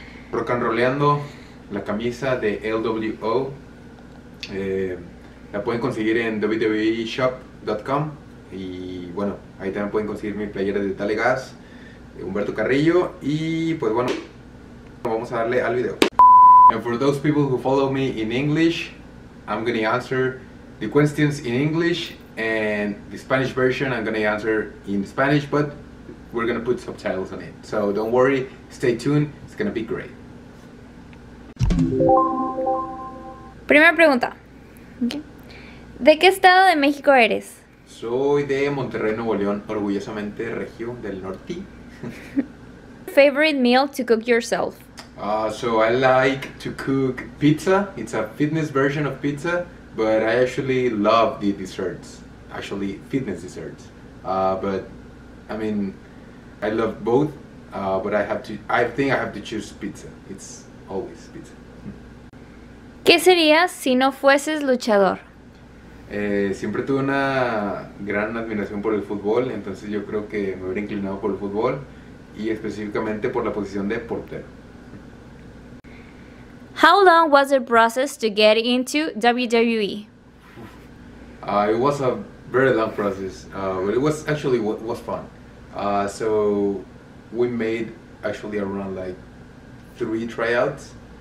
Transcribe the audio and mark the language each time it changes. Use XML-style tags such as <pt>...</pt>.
<es>Rock and Rollando, la camisa de LWO. La pueden conseguir en www.shop.com. Y bueno, ahí también pueden conseguir mi playera de Dale Gas, Humberto Carrillo. Y pues bueno, vamos a darle al video.</es> <en>And for those people who follow me in English, I'm going to answer the questions in English. And the Spanish version, I'm going to answer in Spanish, but we're going to put subtitles on it. So don't worry, stay tuned, it's going to be great.</en> <es>Primera pregunta. ¿De qué estado de México eres? Soy de Monterrey, Nuevo León, orgullosamente región del norte.</es> <en>Favorite meal to cook yourself? So I like to cook pizza. It's a fitness version of pizza, but I actually love the desserts. Actually, fitness desserts. But I mean, I love both. But I think I have to choose pizza. It's always pizza.</en> <es>¿Qué serías si no fueses luchador? Siempre tuve una gran admiración por el fútbol, entonces yo creo que me hubiera inclinado por el fútbol y específicamente por la posición de portero.</es> <en>How long was the process to get into WWE? It was a very long process, but it was actually what was fun. So we made actually around like three tryouts.</en>